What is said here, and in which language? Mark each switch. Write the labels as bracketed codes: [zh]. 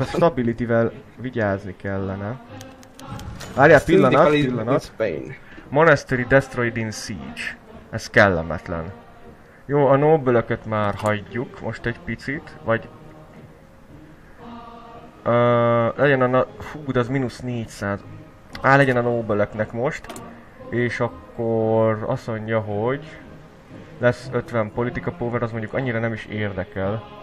[hu] A stability-vel vigyázni kellene. Várjál, pillanat. [en] Monastery destroyed in siege. [hu] Ez kellemetlen. Jó, a noble-öket már hagyjuk most egy picit, vagy... legyen a de az mínusz 400. Legyen a noble-öknek most. És akkor azt mondja, hogy... Lesz 50 politika power, az mondjuk annyira nem is érdekel.